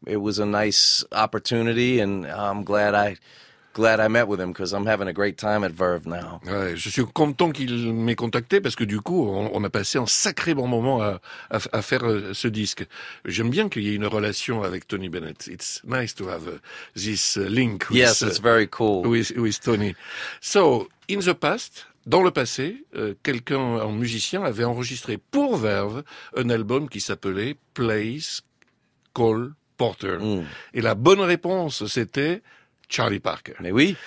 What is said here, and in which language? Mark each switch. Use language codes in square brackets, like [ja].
[en] It was a nice opportunity, and I'm glad I met with him because I'm having a great time at Verve now. [fr] Ouais, je suis content qu'il m'ait contacté parce que du coup, on a passé un sacré bon moment à faire ce disque. J'aime bien qu'il y ait une relation avec Tony Bennett. [en] It's nice to have this link. Yes, it's very cool. With Tony. So, in the past, [fr] dans le passé, quelqu'un, un musicien, avait enregistré pour Verve un album qui s'appelait Place Call Porter. Mm. Et la bonne réponse, c'était Charlie Parker. Mais oui.